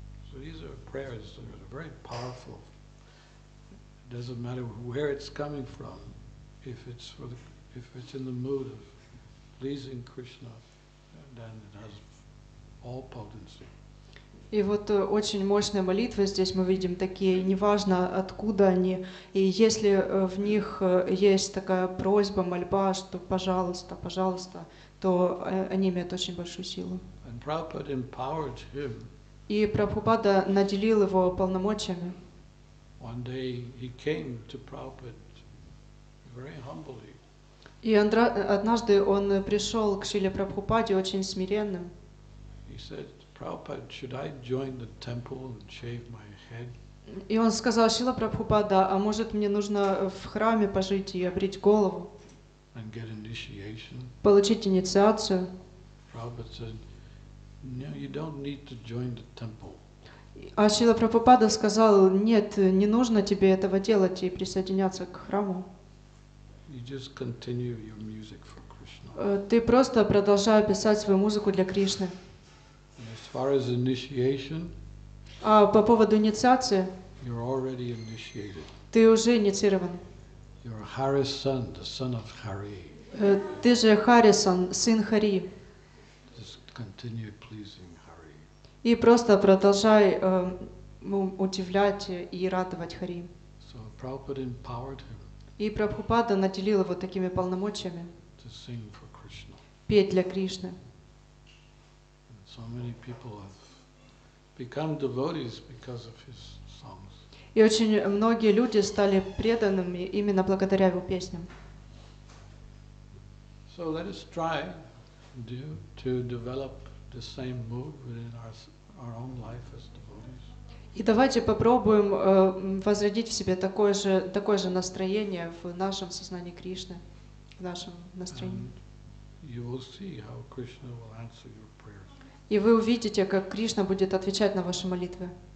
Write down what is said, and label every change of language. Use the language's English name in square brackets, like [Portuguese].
[English] So these are prayers that are very powerful. It doesn't matter where it's coming from, if it's for the, if it's in the mood of pleasing Krishna, then it has all potency. [Russian] И вот очень мощные молитвы здесь мы видим такие, неважно откуда они, и если в них есть такая просьба, мольба, что пожалуйста, пожалуйста, то они имеют очень большую силу. [English] And Prabhupada empowered him. [Russian] И Прабхупада наделил его полномочиями. [English] One day he came to Prabhupada very humbly. [Russian] И однажды он пришел к Шриле Прабхупаде очень смиренным. [English] He said, Prabhupada, should I join the temple and shave my head? [Russian] И он сказал, Шрила Прабхупада, а может мне нужно в храме пожить и обрить голову? [English] And get initiation. [Russian] Получить инициацию. [English] Prabhupada said, no, you don't need to join the temple. [Russian] А Шрила Прабхупада сказал, нет, не нужно тебе этого делать и присоединяться к храму. [English] You just continue your music for Krishna. [Russian] Ты просто продолжай писать свою музыку для Кришны. [English] As far as initiation, [Russian] по поводу инициации, [English] you're already initiated. [Russian] Ты уже инициирован. [English] You're Hari's son, the son of Hari. [Russian] Ты же Харисон, сын Хари. [English] Just continue pleasing Hari. [Russian] И просто продолжай удивлять и радовать Хари. [English] So Prabhupada empowered him. [Russian] И Прабхупада наделил его такими полномочиями. [English] To sing for Krishna. [Russian] Петь для Кришны. [English] So many people have become devotees because of his songs. [Russian] И очень многие люди стали преданными именно благодаря его песням. [English] So let us try to develop the same mood within our own life as devotees. [Russian] И давайте попробуем возродить в себе такое же настроение в нашем сознании Кришны, в нашем настроении. [English] You will see how Krishna will answer your prayers. [Russian] И вы увидите, как Кришна будет отвечать на ваши молитвы.